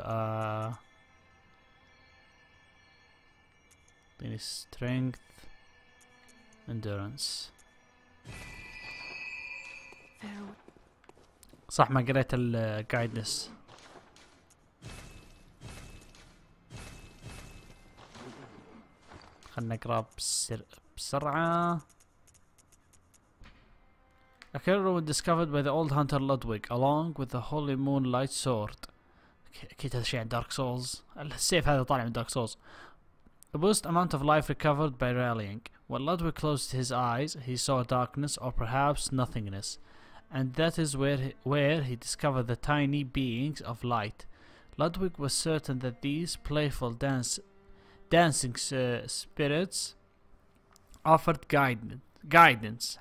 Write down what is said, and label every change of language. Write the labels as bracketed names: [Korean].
[Arabic] اعطيني strength endurance. صح ما قريت ال guidance. خلنا نقرا بسرعة. [English] A killer was discovered by the old hunter Lodwig along with the holy moonlight sword. [Arabic] أكيد هذا شيء عن Dark Souls. السيف هذا طالع من Dark Souls. [English] The boost amount of life recovered by rallying. When Lodwig closed his eyes, he saw darkness or perhaps nothingness. And that is where he discovered the tiny beings of light. Lodwig was certain that these playful dancing spirits offered guidance.